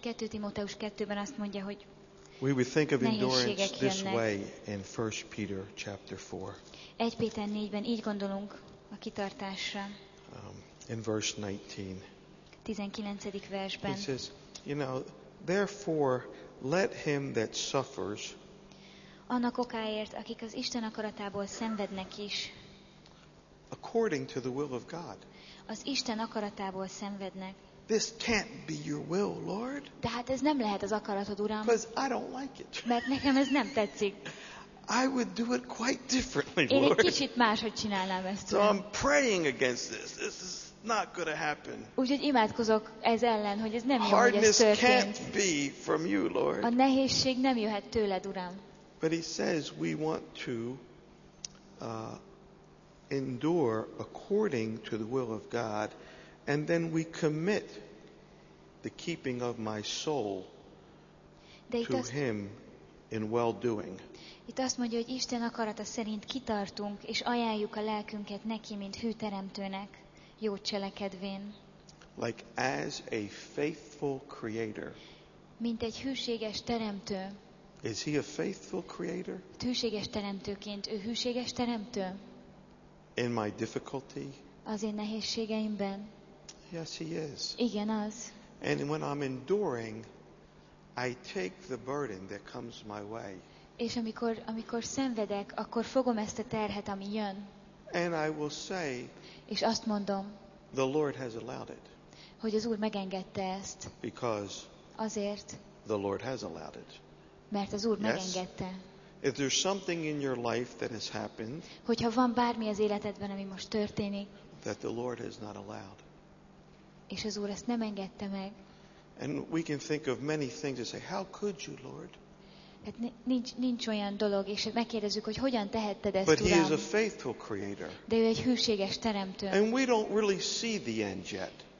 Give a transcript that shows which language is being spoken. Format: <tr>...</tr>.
<hu>2 Timóteus 2-ben azt mondja, hogy</hu> <en>we would think of endurance this way in 1 Peter chapter 4.</en> <hu>1 Péter 4-ben így gondolunk a kitartásra.</hu> <en>In verse 19.</en> <hu>19. versben.</hu> <en>He says, you know, therefore let him that suffers</en> <hu>annak okáért, akik az Isten akaratából szenvednek is.</hu> <en>According to the will of God.</en> <hu>Az Isten akaratából szenvednek.</hu> <en>This can't be your will, Lord.</en> <hu>De hát ez nem lehet az akaratod, Uram.</hu> <en>Because I don't like it.</en> <hu>Mert nekem ez nem tetszik.</hu> <en>I would do it quite differently, Lord.</en> <hu>Én egy kicsit máshogy csinálnám ezt.</hu> <en>So I'm praying against this. This is not going to happen.</en> <hu>Úgyhogy imádkozok ez ellen, hogy ez nem jó,</hu> <en>hardness</en> <hu>hogy ez történt.</hu> <en>Can't be from you, Lord.</en> <hu>A nehézség nem jöhet tőled, Uram.</hu> <en>But he says we want to endure according to the will of God, and then we commit the keeping of my soul to him in well doing.</en> <hu>Itt azt mondja, hogy Isten akarata szerint kitartunk és ajánljuk a lelkünket neki, mint hű teremtőnek, jó cselekedvén.</hu> <en>Like as a faithful creator.</en> <hu>Mint egy hűséges teremtő.</hu> <en>Is he a faithful creator?</en> <hu>Hűséges teremtőként, ő hűséges teremtő.</hu> <en>In my difficulty?</en> <hu>Az én nehézségeimben.</hu> <en>Yes, he is.</en> <hu>Igen, az.</hu> <en>And when I'm enduring, I take the burden that comes my way.</en> <hu>És amikor szenvedek, akkor fogom ezt a terhet, ami jön.</hu> <en>And I will say,</en> <hu>és azt mondom,</hu> <en>the Lord has allowed it.</en> <hu>Hogy az Úr megengedte ezt.</hu> <en>Because</en> <hu>azért,</hu> <en>the Lord has allowed it.</en> <hu>Mert az Úr megengedte.</hu> <en>If there's something in your life that has happened,</en> <hu>hogyha van bármi az életedben, ami most történik,</hu> <en>that the Lord has not allowed.</en> <hu>És az Úr ezt nem engedte meg.</hu> <en>And we can think of many things and say, how could you, Lord?</en> <hu>Hát nincs olyan dolog, és megkérdezzük, hogy hogyan tehetted ezt,</hu> <en>but</en> <hu>Uram.</hu> <en>He is a faithful creator.</en> <hu>De ő egy hűséges teremtő.</hu> <en>And we don't really see the end yet.</en>